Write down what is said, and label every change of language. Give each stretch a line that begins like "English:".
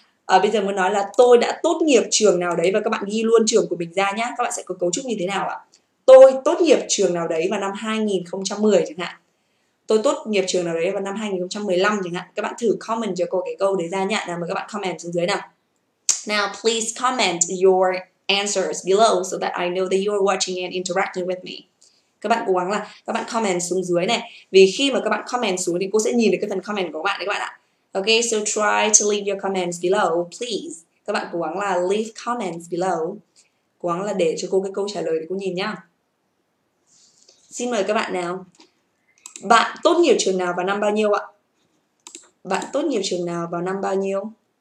Vietnamese: Bây giờ muốn nói là tôi đã tốt nghiệp trường nào đấy, và các bạn ghi luôn trường của mình ra nhá. Các bạn sẽ có cấu trúc như thế nào ạ? Tôi tốt nghiệp trường nào đấy vào năm 2010 chẳng hạn. Tôi tốt nghiệp trường nào đấy vào năm 2015 chẳng hạn. Các bạn thử comment cho cô cái câu đấy ra nhá. Nào, mời các bạn comment xuống dưới nào.
English: Now please comment your answers below so that I know that you are watching and interacting with me.
Vietnamese: Các bạn cố gắng là các bạn comment xuống dưới này. Vì khi mà các bạn comment xuống thì cô sẽ nhìn được cái phần comment của các bạn đấy các bạn ạ.
English: Okay, so try to leave your comments below, please.
Vietnamese: Các bạn cố gắng là
English: leave comments below.
Vietnamese: Cố gắng là để cho cô cái câu trả lời để cô nhìn nhá. Xin mời các bạn nào. Bạn tốt nghiệp trường nào vào năm bao nhiêu ạ? Bạn tốt nghiệp trường nào vào năm bao nhiêu?